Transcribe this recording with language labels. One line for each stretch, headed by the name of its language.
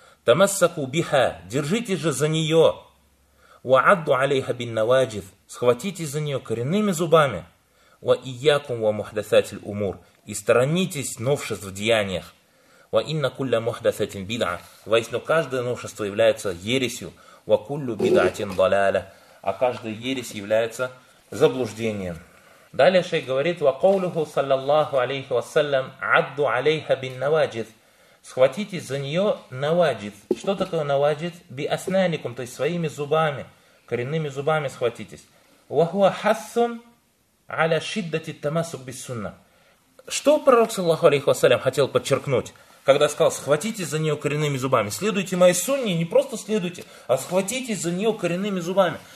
Arabic: Тамассаку биха,
Russian: держитесь же за нее.
Arabic: Ва адду алейха бин наваджид,
Russian: схватитесь за нее коренными зубами.
Arabic: Ва иякум ва мухдасатиль умур,
Russian: и сторонитесь новшеств в деяниях.
Arabic: Ва инна кулля мухдасатин бид'а,
Russian: воистину каждое новшество является ересью.
Arabic: Ва куллю бид'атин даляля,
Russian: а каждая ересь является заблуждением. Далее шейх говорит,
Arabic: وَقَوْلُهُ صَلَّى اللَّهُ عَلَيْهُ وَسَّلَّمْ عَدُّ عَلَيْهَ بِالنَّوَاجِدْ.
Russian: Схватитесь за нее наваджид. Что такое наваджид?
Arabic: بِأَسْنَانِكُمْ,
Russian: то есть своими зубами, коренными зубами схватитесь.
Arabic: وَهُوَ حَسٌ عَلَى شِدَّةِ التَّمَسُكْ بِالسُنَّةِ.
Russian: Что пророк саллаху алейхи вассалям хотел подчеркнуть, когда сказал, схватитесь за нее коренными зубами, следуйте моей сунне, не просто следуйте, а схватитесь за нее коренными зубами.